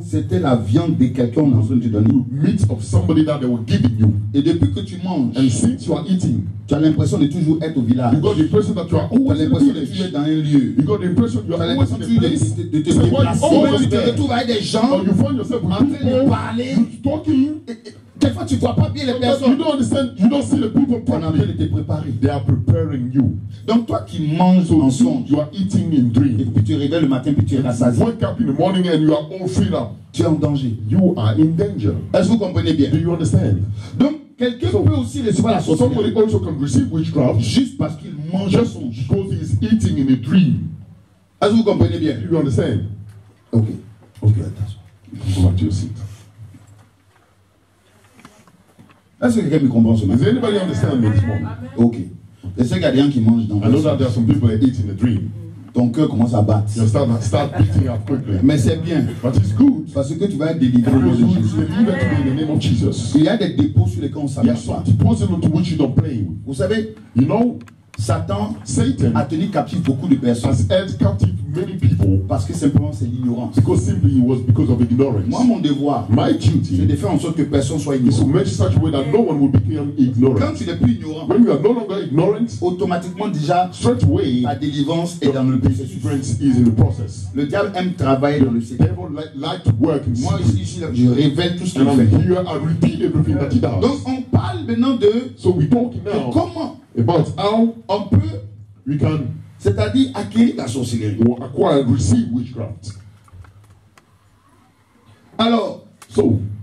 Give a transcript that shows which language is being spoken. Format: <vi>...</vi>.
<fr>c'était la viande de quelqu'un dans un tidon.</fr> <en>Meat of somebody that they were giving you.</en> <fr>Et depuis que tu manges,</fr> <en>and since you are eating,</en> <fr>tu as l'impression de toujours être au village.</fr> <en>You got the impression that you are always.</en> <fr>Tu as l'impression de toujours être dans un lieu.</fr> <en>You got the impression you are always in a place.</en> <fr>De te déplacer.</fr> <en>Always</en> <fr>tu te retrouves avec des gens.</fr> <en>Or you find yourself with</en> <fr>en train</fr> <en>people,</en> <fr>de parler.</fr> <en>You're talking.</en> <fr>Des fois, tu vois pas bien les personnes.</fr> <en>You don't understand. You don't see the people.</en> <fr>On a bien été préparé.</fr> <en>They are preparing you.</en> <fr>Donc toi qui manges</fr> <en>so</en> <fr>en songe,</fr> <en>you are eating in dream.</en> <fr>Et puis tu réveilles le matin, puis tu es rassasié.</fr> <en>You wake up in the morning and you are all filled up.</en> <fr>Tu es en danger.</fr> <en>You are in danger.</en> <fr>Est-ce que vous comprenez bien?</fr> <en>Do you understand?</en> <fr>Donc quelqu'un so, peut aussi recevoir la sorcellerie.</fr> <en>Somebody also can receive witchcraft</en> <fr>juste parce qu'il mange en songe.</fr> <en>Because he is eating in a dream.</en> <fr>Est-ce que vous comprenez bien?</fr> <en>Do you understand? Okay. Okay. Attention. Go back to your seat.</en> <fr>Est-ce que quelqu'un me comprend ce matin?</fr> <en>Does anybody understand me this morning?</en> <fr>Ok. Est-ce qu'il y a des gens qui mangent dans le sommeil?</fr> <en>I know that there are some people that eat in a dream.</en> <fr>Ton cœur commence à battre.</fr> <en>You start beating up quickly.</en> <fr>Mais c'est bien.</fr> <en>But it's good.</en> <fr>Parce que tu vas être délivré au nom de Jésus.</fr> <en>Deliver to me in the name of Jesus.</en> <fr>Il y a des dépôts sur lesquels on s'aperçoit. Dépôts sur lesquels on s'aperçoit. Vous savez?</fr> <en>You know?</en> <fr>Satan a tenu captif beaucoup de personnes.</fr> <en>Has held captive many people.</en> <fr>Parce que simplement c'est l'ignorance.</fr> <en>Because simply it was because of ignorance.</en> <fr>Moi mon devoir,</fr> <en>my duty,</en> <fr>c'est de faire en sorte que personne soit ignorant.</fr> <en>Is to make such a way that no one will become ignorant.</en> <fr>Quand tu n'es plus ignorant,</fr> <en>when you are no longer ignorant,</en> <fr>automatiquement déjà,</fr> <en>straight away,</en> <fr>la délivrance est dans le processus.</fr> <en>Difference is in the process.</en> <fr>Le diable aime travailler dans le secret.</fr> <en>The devil like to work.</en> <fr>Moi ici, je révèle tout ce qu'il fait.</fr> <en>And here I repeat everything that he does.</en> <fr>Donc on parle maintenant de.</fr> <en>So we talk now.</en> <fr>Comment?</fr> <en>About how</en> <fr>on peut,</fr> <en>we can,</en> <fr>c'est-à-dire acquérir la sorcellerie,</fr> <en>or acquire, receive witchcraft.</en> <fr>Alors,</fr> <en>so,</en>